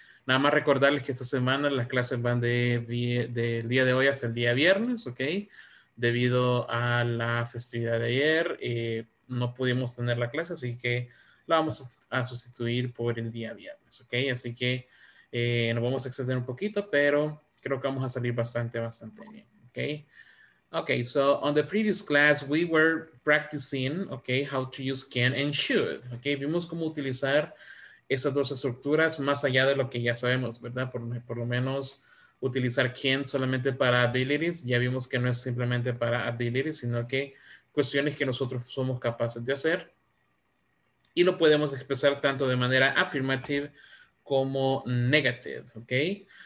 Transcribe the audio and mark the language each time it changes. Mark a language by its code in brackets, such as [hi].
[es] Nada más recordarles que esta semana las clases van del día de hoy hasta el día viernes, ok. Debido a la festividad de ayer, no pudimos tener la clase, así que la vamos a sustituir por el día viernes, ok. Así que nos vamos a extender un poquito, pero creo que vamos a salir bastante, bastante bien, ok. [en] Ok, so on the previous class, we were practicing, ok, how to use can and should, ok. [es] Vimos cómo utilizar esas dos estructuras más allá de lo que ya sabemos, ¿verdad? Por lo menos utilizar can solamente para abilities. Ya vimos que no es simplemente para abilities, sino que cuestiones que nosotros somos capaces de hacer. Y lo podemos expresar tanto de manera affirmative como negative, ¿ok?